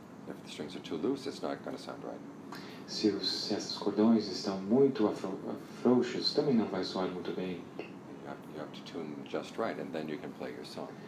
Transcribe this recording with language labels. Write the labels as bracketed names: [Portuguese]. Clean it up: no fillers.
[English] If the strings are too loose, it's not going to sound right. [Portuguese] Se esses cordões estão muito frouxos, também não vai soar muito bem. [English] You have to tune just right, and then you can play your song.